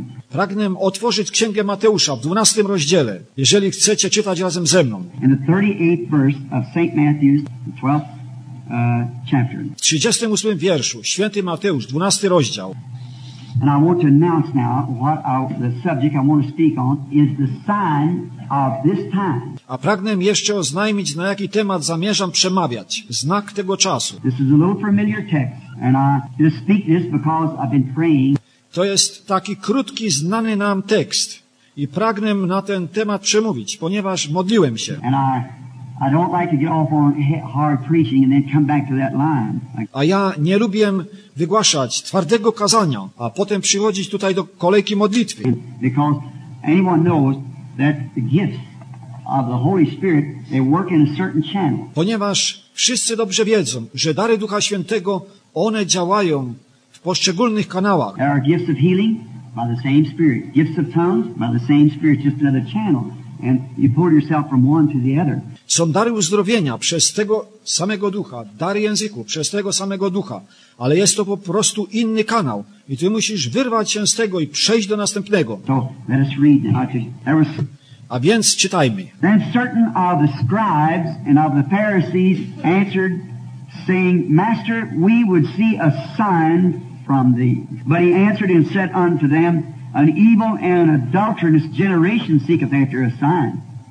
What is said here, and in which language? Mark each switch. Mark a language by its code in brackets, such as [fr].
[pl] Pragnę otworzyć Księgę Mateusza w 12 rozdziale, jeżeli chcecie czytać razem ze mną. [en] In the 38th verse of St. Matthew's, the 12th chapter. [pl] W 38 wierszu, Święty Mateusz, 12 rozdział. [en] And I want to announce now what the subject I want to speak on is the sign of this time. [pl] A pragnę jeszcze oznajmić, na jaki temat zamierzam przemawiać. Znak tego czasu. [en] This is a little familiar text, and I just speak this because I've been praying. [pl] To jest taki krótki, znany nam tekst. I pragnę na ten temat przemówić, ponieważ modliłem się. [en] And I don't like to get off on hard preaching and then come back to that line. [pl] A ja nie lubię wygłaszać twardego kazania, a potem przychodzić tutaj do kolejki modlitwy. [en] Because anyone knows that the gifts of the Holy Spirit, they work in a certain channel. [pl] Ponieważ wszyscy dobrze wiedzą, że dary Ducha Świętego, one działają w poszczególnych kanałach. [en] There are gifts of healing by the same Spirit, gifts of tongues by the same Spirit, just another channel. And you pull yourself from one to the other. [pl] Są dary uzdrowienia przez tego samego ducha, dary języku przez tego samego ducha, ale jest to po prostu inny kanał i ty musisz wyrwać się z tego i przejść do następnego. [en] So, let us read. [pl] A więc czytajmy. [en] Then certain of the scribes and of the Pharisees answered, saying, Master, we would see a sign from thee. But he answered and said unto them, An evil and adulterous generation seeketh after a sign.